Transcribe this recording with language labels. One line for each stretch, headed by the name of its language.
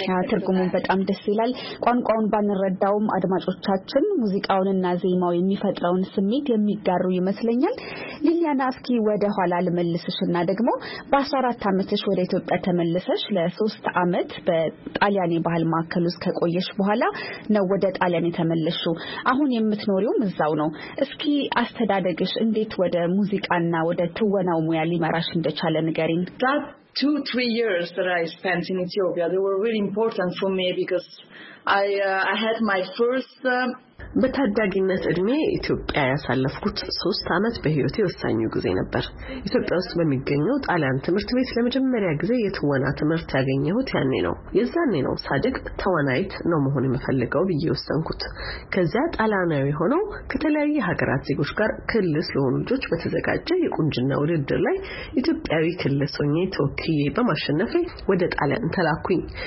Amharic: ትርጉሙን በጣም ደስ ይላል። ቋንቋውን ባንረዳውም አድማጮቻችን ሙዚቃውንና ዜማው የሚፈጥረውን ስሜት የሚጋሩ ይመስለኛል። ሊሊያና አስኪ ወደ ኋላ ልመልስሽና ደግሞ በ14 አመትሽ ወደ ኢትዮጵያ ተመለሰሽ ለ ሶስት አመት በጣሊያን የባህል ማዕከል ውስጥ ከቆየሽ በኋላ ነው ወደ ጣሊያን የተመለሽው። አሁን የምትኖሪው እዛው ነው። እስኪ አስተዳደግሽ እንዴት ወደ ሙዚቃና ወደ ትወናው ሙያ ሊመራሽ እንደቻለ ንገሪን።
English: That 2-3 years that I spent in Ethiopia, they were really important for me because I had my first
Amharic: በታዳጊነት እድሜ ኢትዮጵያ ያሳለፍኩት 3 አመት በህይወቴ ወሳኝ ጊዜ ነበር። ኢትዮጵያ ውስጥ በሚገኘው ጣሊያን ትምህርት ቤት ለመጀመሪያ ጊዜ የትወና ትምህርት ያገኘሁት ያኔ ነው። የዛኔ ነው ሳድግ ተወናይት ነው መሆን የምፈልገው ብዬ ወሰንኩት። ከዛ ጣሊያናዊ ሆነው ከተለያየ ሀገራት ዜጎች ጋር ክልስ ለሆኑ ልጆች በተዘጋጀ የቁንጅና ውድድር ላይ ኢትዮጵያዊ ክልስ ሆኜ ተወክዬ በማሸነፌ ወደ ጣሊያን ተላኩኝ።